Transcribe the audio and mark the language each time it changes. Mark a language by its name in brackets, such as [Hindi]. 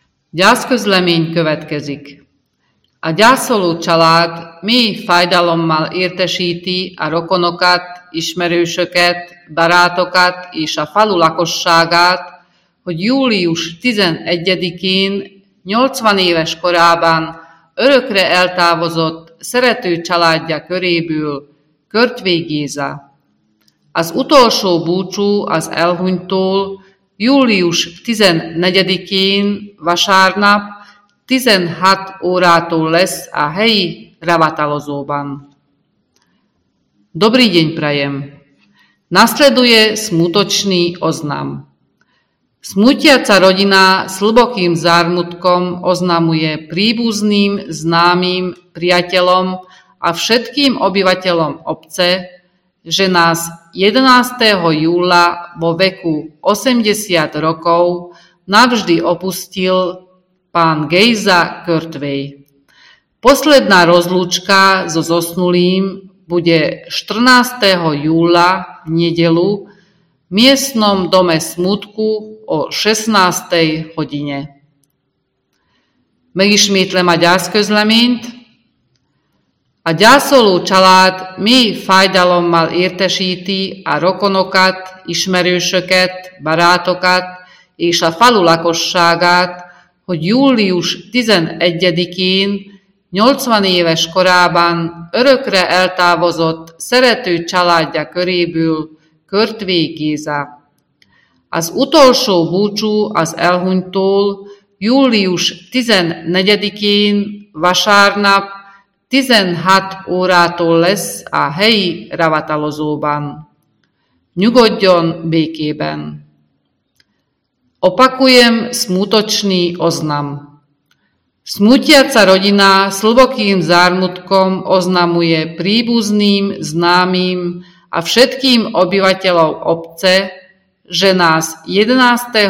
[Hungarian] Gyászközlemény következik. A gyászoló család mély fájdalommal értesíti a rokonokat, ismerősöket, barátokat és a falu lakosságát, hogy július 11-én, 80 éves korában örökre eltávozott szerető családja köréből Körtvé Géza. Az utolsó búcsú az elhunytól július 14-én, vasárnap, 16 órától lesz a helyi ravatalozóban. [Slovak] Dobrý deň prajem. Nasleduje smutočný oznam. Smutiaca rodina s hlbokým zármutkom oznamuje príbuzným, známym, priateľom a všetkým obyvateľom obce, že nás 11. júla vo veku 80 rokov navždy opustil pán Géza Körtvej. Posledná rozlúčka so zosnulým bude 14. júla v nedeľu v miestnom dome smutku o 16. hodine. [Hungarian] Megismétlem a gyászközleményt. A gyászoló család mély fájdalommal értesíti a rokonokat, ismerősöket, barátokat és a falu lakosságát, hogy július 11-én, 80 éves korában örökre eltávozott szerető családja köréből Körtvé Géza. Az utolsó búcsú az elhunytól július 14-én, vasárnap, 16 órától lesz a helyi ravatalozóban. Nyugodjon békében. [Slovak] Opakujem smutočný oznam. Smutiaca rodina s hlbokým zármutkom oznamuje príbuzným, známym a všetkým obyvateľom obce, že nás 11.